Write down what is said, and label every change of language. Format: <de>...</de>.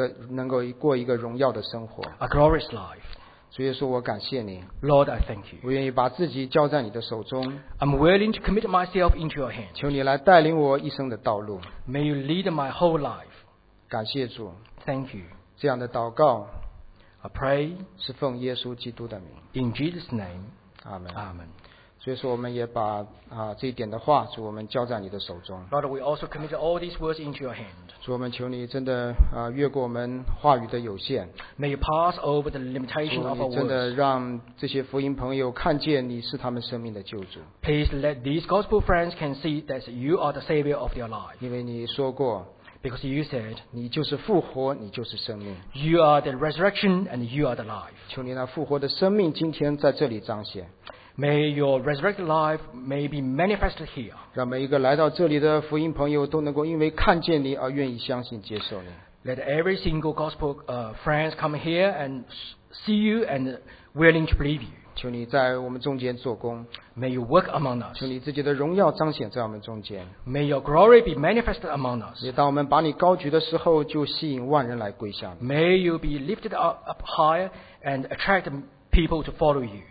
<zh>能够过一个荣耀的生活。</zh> <en>A glorious life.</en> <zh>主耶稣，我感谢你。</zh> <en>Lord, I thank you.</en> <zh>我愿意把自己交在你的手中。</zh> <en>I'm willing to commit myself into your hands.</en> <zh>求你来带领我一生的道路。</zh> <en>May you lead my whole life.</en> <zh>感谢主。</zh> <en>Thank you.</en> <zh>这样的祷告。</zh> <en>I pray.</en> <zh>是奉耶稣基督的名。</zh> <en>In Jesus' name. Amen. Amen.</en> <zh>所以说我们也把这一点的话主我们交在你的手中。</zh> <en>Lord, we also commit all these words into your hand.</en> <zh>主我们求你真的越过我们话语的有限。</zh> <en>May you pass over the limitation of our words.</en> <zh>主真的让这些福音朋友看见你是他们生命的救主。</zh> <en>Please let these gospel friends can see that you are the savior of their life.</en> <zh>因为你说过。</zh> <en>Because you said,</en> <zh>你就是复活，你就是生命。</zh> <en>You are the resurrection and you are the life.</en> <zh>求你那复活的生命今天在这里彰显。</zh> <en>May your resurrected life may be manifested here.</en> <zh>让每一个来到这里的福音朋友都能够因为看见你而愿意相信接受你。</zh> <en>Let every single gospel friends come here and see you and willing to believe you.</en> <zh>求你在我们中间做工。</zh> <en>May you work among us.</en> <zh>求你自己的荣耀彰显在我们中间。</zh> <en>May your glory be manifested among us.</en> <zh>也当我们把你高举的时候就吸引万人来归向你。</zh> <en>May you be lifted up higher and attract people to follow you.</en>